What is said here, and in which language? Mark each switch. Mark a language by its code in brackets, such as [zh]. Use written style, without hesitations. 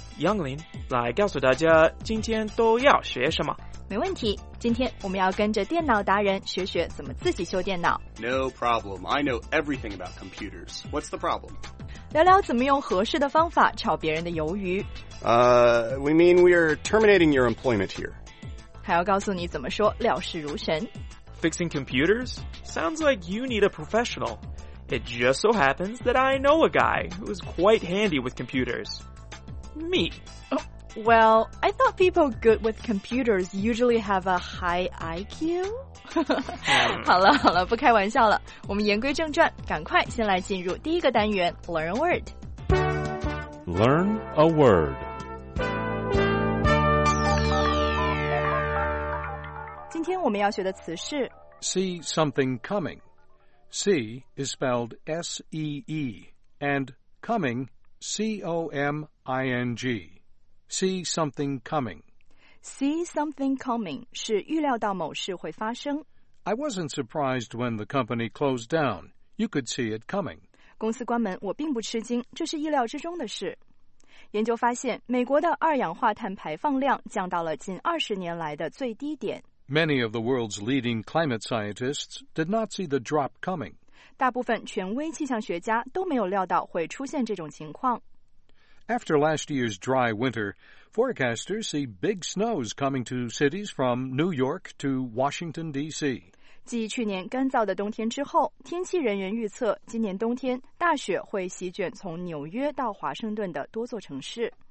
[zh] 杨林，来告诉大家今天都要学什么。没问题，今天我们要跟着电脑达人学学怎么自己修电脑。 [en] No problem, I know everything about computers. What's the problem? [zh] 聊聊怎么用合适的方法炒别人的鱿鱼。 [en] We mean we are terminating your employment here. [zh] 还要告诉你怎么说了事如神。 [en] Fixing computers? Sounds like you need a professional. It just so happens that I know a guy who is quite handy with computers. Me. Well, I thought people good with computers usually have a high IQ. [zh] 好了好了，不开玩笑了。我们言归正传，赶快先来进入第一个单元 ,Learn a Word. [en] Learn a Word. [zh] 今天我们要学的词是 [en] See something coming. See is spelled S-E-E and coming C-O-M-I-N-G. See something coming. [zh] See something coming 是预料到某事会发生。 [en] I wasn't surprised when the company closed down. You could see it coming. [zh] 公司关门，我并不吃惊，这是意料之中的事。研究发现，美国的二氧化碳排放量降到了近二十年来的最低点。 [en] Many of the world's leading climate scientists did not see the drop coming. [zh] 大部分权威气象学家都没有料到会出现这种情况。 [en] After last year's dry winter, forecasters see big snows coming to cities from New York to Washington, D.C. [zh] 继去年干燥的冬天之后，天气人员预测今年冬天大雪会席卷从纽约到华盛顿的多座城市。